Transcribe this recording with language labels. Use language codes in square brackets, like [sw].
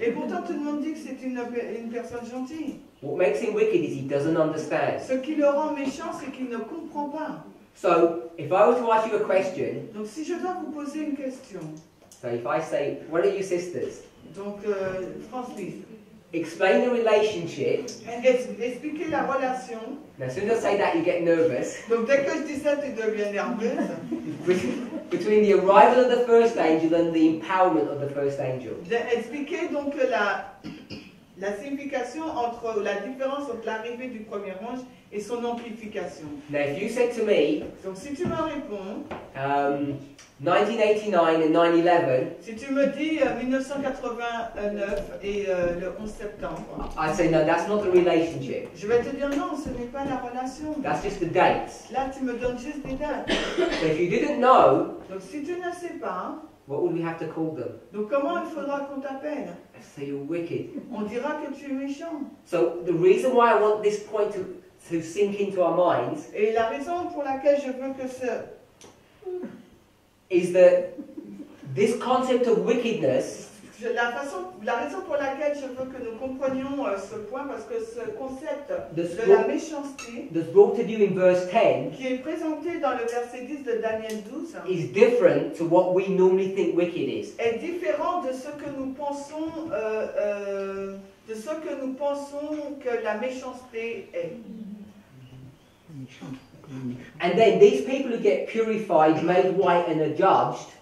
[fr] Et pourtant, tout le monde dit que c'est une personne gentille. [en] What makes him wicked is he doesn't understand. [fr] Ce qui le rend méchant, c'est qu'il ne comprend pas. [en] So, if I were to ask you a question. [fr] Donc, si je dois vous poser une question. [en] So if I say, what are your sisters? [fr] Donc, Francis. [en] Explain the relationship. [fr] Expliquez la relation. [en] Now, as soon as I say that, you get nervous. [fr] Donc, dès que je dis ça, tu deviens nerveuse. [en] Between the arrival of the first angel and the empowerment of the first angel. [fr] Expliquez donc la signification entre, ou la différence entre l'arrivée du premier ange et son amplification. [en] Now, if you said to me. [fr] Donc, si tu me réponds. [en] 1989 and [fr] 9/11. Si tu me dis 1989 et le 11 septembre. [en] I say no, that's not the relationship. [fr] Je vais te dire non, ce n'est pas la relation. [en] That's just the dates. [fr] Là, tu me donnes juste des dates. [en] But if you didn't know. [fr] Donc si tu ne sais pas. [en] What would we have to call them? [fr] Donc comment il faudra qu'on t'appelle? [en] I say you're wicked. [fr] On dira que tu es méchant. [en] So the reason why I want this point to sink into our minds. [fr] Et la raison pour laquelle je veux que ce [en] is that this concept of wickedness? [fr] La raison pour laquelle je veux que nous comprenions ce point, parce que ce concept de la méchanceté, [en] that's brought to you in verse 10, [fr] qui est présenté dans le verset 10 de Daniel 12, [en] is different to what we normally think wicked is. [fr] Est différent de ce que nous pensons de ce que nous pensons que la méchanceté est. [en] And then these people who get purified, made white, and are judged.